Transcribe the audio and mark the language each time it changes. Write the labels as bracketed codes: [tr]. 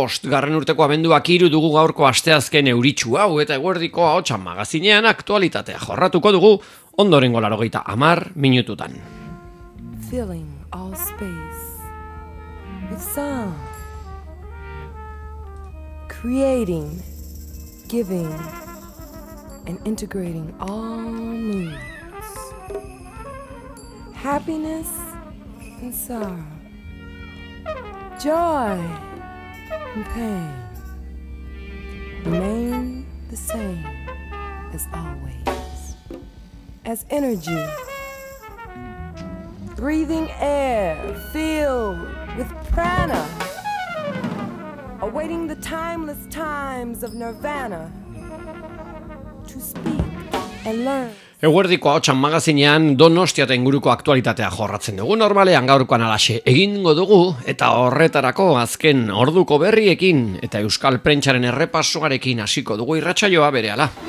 [eu] Garren urteko abenduak hiru dugu gaurko asteazken euritxu hau eta eguerdiko ahotsa magazinean aktualitatea jorratuko dugu ondorengo 80 minututan. [en] Filling all space with sound. Creating, giving and integrating all needs. Happiness and sorrow. Joy and pain remain the same as always. As energy, breathing air filled with prana, awaiting the timeless times of nirvana to speak and learn. [eu] Eguerdiko ahotsan magazinean Donostiaren inguruko aktualitatea jorratzen dugu normalean gaurkoan alaxe egingo dugu eta horretarako azken orduko berriekin eta euskal prentsaren errepasoarekin hasiko dugu irratsaioa berehala.